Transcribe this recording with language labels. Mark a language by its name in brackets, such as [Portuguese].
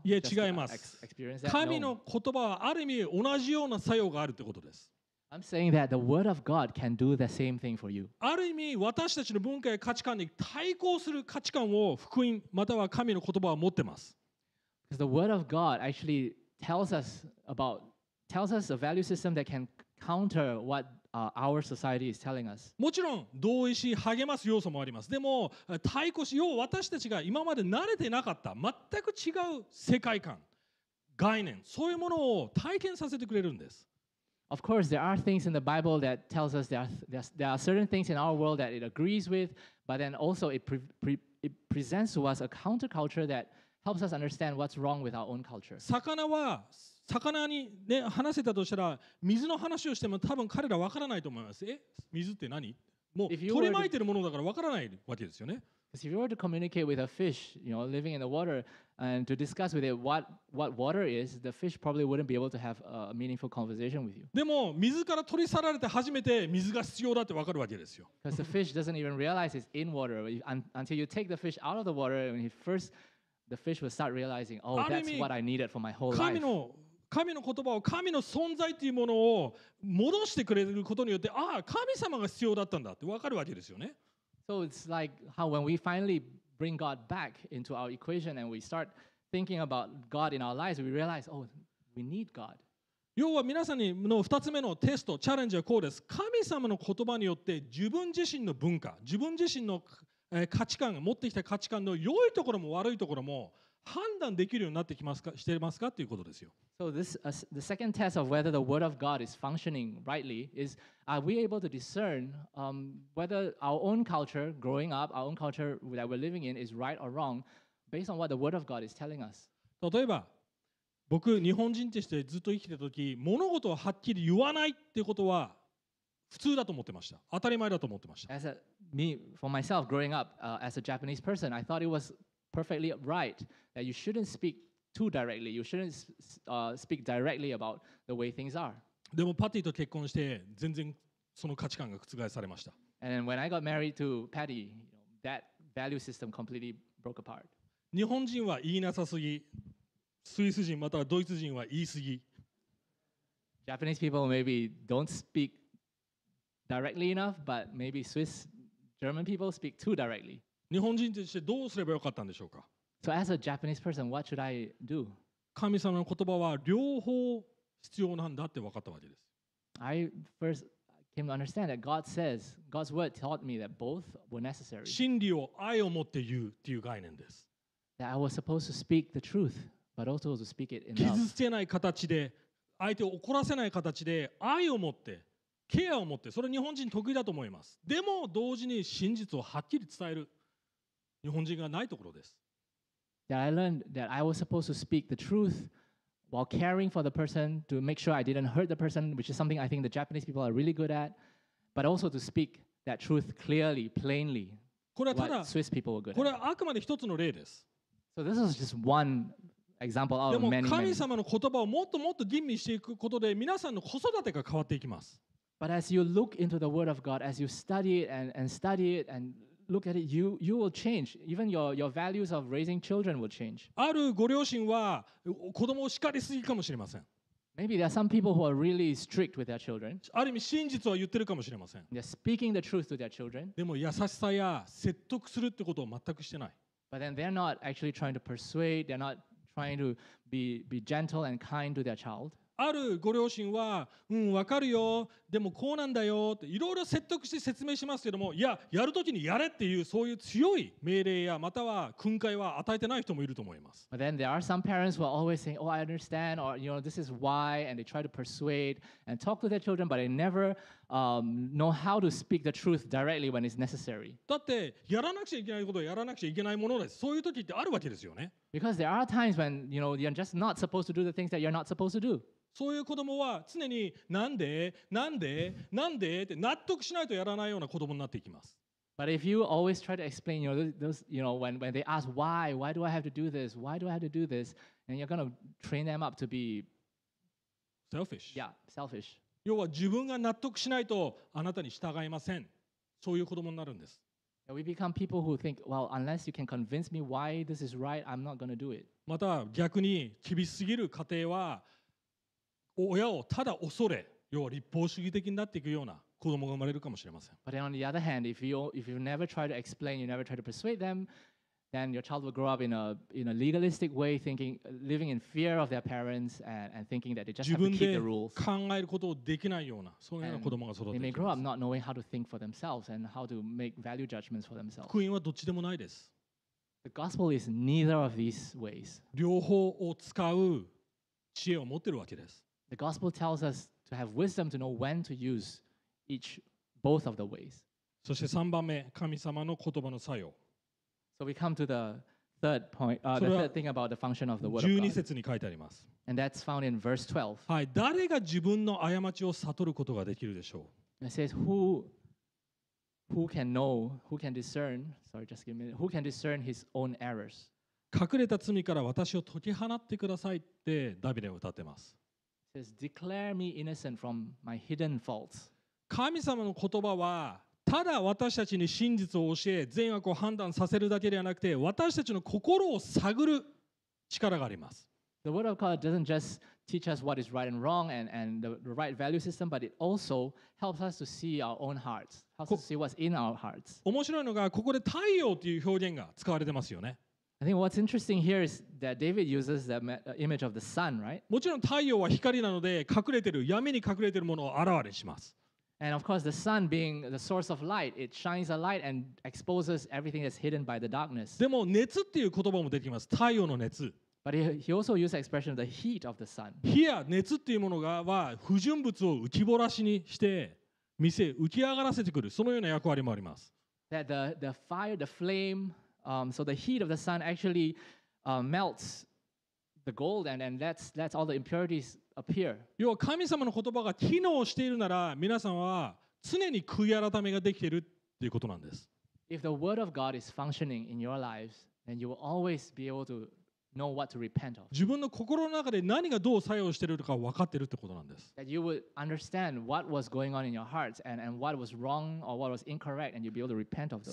[Japanese] いや違います。 [English] Experience that? [Japanese] 神の言葉はある意味同じような作用があるってことです。 [English] I'm saying that the word of God can do the same thing for you. [Japanese] ある意味私たちの文化や価値観に対抗する価値観を福音または神の言葉は持ってます。 [English] Because the word of God actually tells us a value system that can counter what our society is telling us. [Japanese] もちろん同意し励ます要素もあります。でも対抗し、要は私たちが今まで慣れてなかった全く違う世界観、概念、そういうものを体験させてくれるんです。 [English] Of course, there are things in the Bible that tells us there are certain things in our world that it agrees with, but then also it presents to us a counterculture that helps us understand what's wrong with our own culture. [Japanese] 魚に、ね、話せたとしたら水の話をしても多分彼らわからないと思います。え、水って何？もう取り巻いてるものだからわからないわけですよね。 [English] If you were to communicate with a fish, you know, living in the water, and to discuss with it what water is, the fish probably wouldn't be able to have a meaningful conversation with you. [Japanese] でも水から取り去られて初めて水が必要だってわかるわけですよ。 [English] Because the fish doesn't even realize it's in water until you take the fish out of the water, and the fish will start realizing, oh, that's what I needed for my whole life. [Japanese] 神の言葉を、神の存在というものを戻してくれることによって、ああ、神様が必要だったんだってわかるわけですよね。 [English] So it's like how when we finally bring God back into our equation and we start thinking about God in our lives, we realize, oh, we need God. [Japanese] 要は皆さんの2つ目のテスト、チャレンジはこうです。神様の言葉によって自分自身の文化、自分自身の価値観、持ってきた価値観の良いところも悪いところも判断できるようになってきますか、してますかということですよ。 [English] So this, the second test of whether the word of God is functioning rightly is, are we able to discern whether our own culture growing up, our own culture that we're living in is right or wrong based on what the word of God is telling us? [Japanese] 例えば、僕日本人としてずっと生きてた時、物事をはっきり言わないってことは普通だと思ってました。当たり前だと思ってました。 [English] As a, me, for myself, growing up, as a Japanese person, I thought it was perfectly right that you shouldn't speaktoo directly. You shouldn't speak directly about the way things are. [Japanese] でもパティと結婚して全然その価値観が覆されました。 [English] And then when I got married to Patty, you know, that value system completely broke apart. [Japanese] 日本人は言いなさすぎ。スイス人またはドイツ人は言いすぎ。 [English] Japanese people maybe don't speak directly enough, but maybe Swiss German people speak too directly. [Japanese] 日本人としてどうすればよかったんでしょうか。 [English] So as a Japanese person, what should I do? [Japanese] 神様の言葉は両方必要なんだって分かったわけです。 [English] I first came to understand that God says, God's word taught me that both were necessary. [Japanese] 真理を愛を持って言うっていう概念です。 [English] That I was supposed to speak the truth, but also to speak it in love. [Japanese] 傷つけない形で、相手を怒らせない形で、愛を持って、ケアを持って、それ日本人得意だと思います。でも同時に真実をはっきり伝える日本人がないところです。 [English] That I learned that I was supposed to speak the truth while caring for the person to make sure I didn't hurt the person, which is something I think the Japanese people are really good at, but also to speak that truth clearly, plainly, what Swiss people were good at. [Japanese] これはあくまで一つの例です。 [English] So this is just one example out of many. [Japanese] でも神様の言葉をもっともっと吟味していくことで皆さんの子育てが変わっていきます。 [English] But as you look into the Word of God, as you study it and study it andLook at it, you will change. Even your values of raising children will change. [Japanese] あるご両親は子供を叱りすぎかもしれません。 [English] Maybe there are some people who are really strict with their children. [Japanese] ある意味真実は言ってるかもしれません。 [English] They're speaking the truth to their children. [Japanese] でも優しさや説得するってことを全くしてない。 [English] But then they're not actually trying to persuade. They're not trying to be gentle and kind to their child. [Japanese] あるご両親は、うん、わかるよ、でもこうなんだよっていろいろ説得して説明しますけども、いや、やるときにやれっていうそういう強い命令やまたは訓戒は与えてない人もいると思います。 [English] But then there are some parents who are always saying, oh, I understand, or you know, this is why, and they try to persuade and talk to their children, but they never know how to speak the truth directly when it's necessary. [Japanese] だってやらなくちゃいけないことはやらなくちゃいけないものです。そういうときってあるわけですよね。 [English] Because there are times when you know you're just not supposed to do the things that you're not supposed to do. [Japanese] そういう子供は常になんでなんでなんでって納得しないとやらないような子供になっていきます。 [English] But if you always try to explain, you know, those, you know, when they ask why do I have to do this, why do I have to do this, and you're going to train them up to be selfish. Yeah, selfish. [Japanese] 要は自分が納得しないとあなたに従いません。そういう子供になるんです。 [English] We become people who think, well, unless you can convince me why this is right, I'm not going to do it. [Japanese] また逆に厳しすぎる家庭は親をただ恐れ、要は立法主義的になっていくような子供が生まれるかもしれません。 [English] But on the other hand, if you never try to explain, you never try to persuade them, then your child will grow up in a legalistic way, thinking, living in fear of their parents and thinking that they just have to keep the rules. [Japanese] 自分で考えることをできないような、そういうような子供が育てる。 [English] They may grow up not knowing how to think for themselves and how to make value judgments for themselves. [Japanese] 福音はどっちでもないです。 [English] The gospel is neither of these ways. [Japanese] 両方を使う知恵を持ってるわけです。 [English] The gospel tells us to have wisdom to know when to use each, both of the ways. [Japanese] そして3番目、神様の言葉の作用。 [English] So we come to the third point, the third thing about the function of the word of God. [Japanese] 12節に書いてあります。 [English] And that's found in verse 12. [Japanese] はい、誰が自分の過ちを悟ることができるでしょう。 [English] It says, who can know, who can discern, sorry, just give me, who can discern his own errors? [Japanese] 隠れた罪から私を解き放ってくださいってダビデは歌ってます。 [English] It says, declare me innocent from my hidden faults. [Japanese] 神様の言葉はただ私たちに真実を教え善悪を判断させるだけではなくて私たちの心を探る力があります。 [English] The word of God doesn't just teach us what is right and wrong and the right value system, but it also helps us to see our own hearts, helps us to see what's in our hearts. [Japanese] 面白いのがここで太陽という表現が使われてますよね。 [English] I think what's interesting here is that David uses the image of the sun, right? [Japanese] もちろん太陽は光なので隠れてる闇に隠れてるものを現れします。 [English] And of course, the sun being the source of light, it shines a light and exposes everything that's hidden by the darkness. [Japanese] でも熱っていう言葉も出てきます。太陽の熱。 [English] But he also used the expression of the heat of the sun. [Japanese] 火や熱っていうものがは不純物を浮き彫らしにして見せ浮き上がらせてくる。そのような役割もあります。 [English] That the fire, the flame, so the heat of the sun actually melts the gold and lets all the impuritiesAppear. [Japanese] 要は神様の言葉が機能しているなら皆さんは常に悔い改めができているということなんです。 [English] If the word of God is functioning in your lives, then you will always be able to know what to repent of. [Japanese] 自分の心の中で何がどう作用しているか分かっているということなんです。 [English] That you would understand what was going on in your hearts and what was wrong or what was incorrect and you'd be able to repent of those